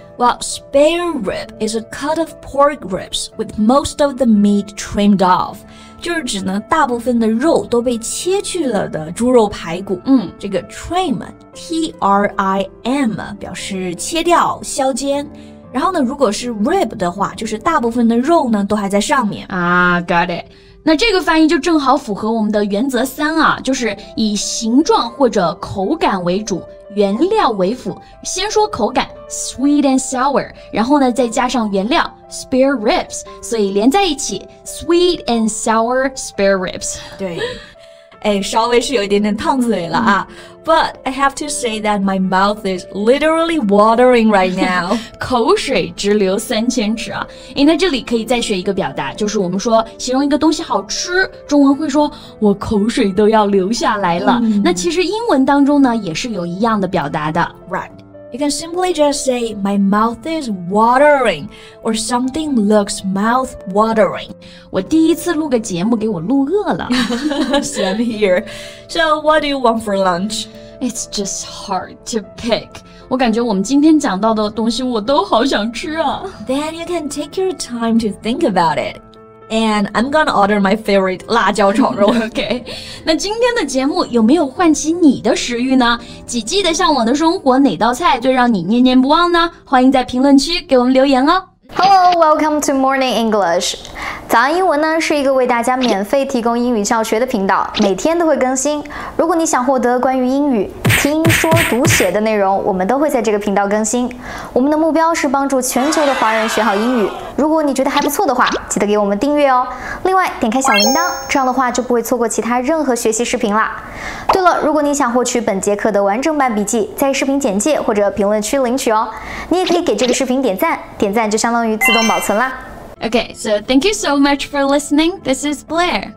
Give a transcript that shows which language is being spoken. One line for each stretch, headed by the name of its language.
English: Well, spare rib is a cut of pork ribs with most of the meat trimmed off.
Chinese: 就是指呢大部分的肉都被切去了的猪肉排骨。这个 trim, T-R-I-M, 表示切掉、削尖。然后呢如果是 rib 的话就是大部分的肉呢都还在上面。
English: Got it.
Chinese: 那这个翻译就正好符合我们的原则三啊，就是以形状或者口感为主。原料为辅，先说口感 sweet and sour， 然后呢再加上原料 spare ribs， 所以连在一起
English: sweet and sour spare ribs。
Chinese: 对，哎，稍微是有一点点烫嘴了啊。
English: But I have to say that my mouth is literally watering right now.
Chinese: 口水直流三千尺啊。哎，那这里可以再学一个表达，就是我们说形容一个东西好吃，中文会说我口水都要流下来了。那其实英文当中呢也是有一样的表达的。
English: Right. You can simply just say my mouth is watering or something looks mouth watering.
Chinese: 我第一次录个节目给我录饿了。
English: Same here. So what do you want for lunch? It's just hard to pick.
Chinese: 我感觉我们今天讲到的东西我都好想吃啊。
English: Then you can take your time to think about it. And I'm gonna order my favorite
Chinese: 辣椒炒肉。 OK, 那今天的节目有没有唤起你的食欲呢？几季的向往的生活哪道菜最让你念念不忘呢？欢迎在评论区给我们留言哦。
English: Hello, welcome to Morning English.
Chinese: 早安英文呢是一个为大家免费提供英语教学的频道，每天都会更新。如果你想获得关于英语听说读写的内容，我们都会在这个频道更新。我们的目标是帮助全球的华人学好英语。如果你觉得还不错的话，记得给我们订阅哦。另外点开小铃铛，这样的话就不会错过其他任何学习视频啦。对了，如果你想获取本节课的完整版笔记，在视频简介或者评论区领取哦。你也可以给这个视频点赞，点赞就相当于自动保存啦。
English: Okay, so thank you so much for listening. This is Blair.